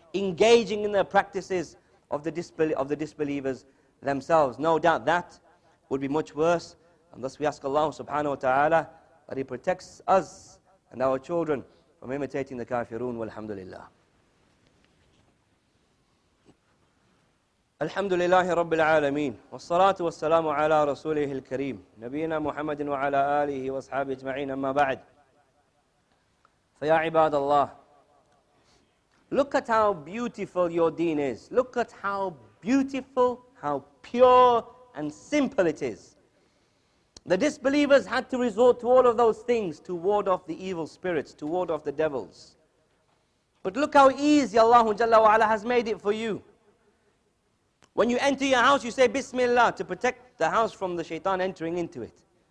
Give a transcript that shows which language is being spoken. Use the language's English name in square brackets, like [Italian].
[English] Engaging in the practices of the disbelievers themselves. No doubt that would be much worse. And thus we ask Allah subhanahu wa ta'ala that He protects us and our children from imitating the kafirun. Walhamdulillah. [Arabic] الحمد لله رب العالمين والصلاة والسلام على رسوله الكريم نبينا محمد وعلى آله وأصحابه أجمعين أما بعد فيا عباد الله [English] Look at how beautiful your deen is. Look at how beautiful, how pure and simple it is. The disbelievers had to resort to all of those things to ward off the evil spirits, to ward off the devils. But look how easy Allah Jalla wa Ala has made it for you. When you enter your house, you say Bismillah to protect the house from the shaitan entering into it.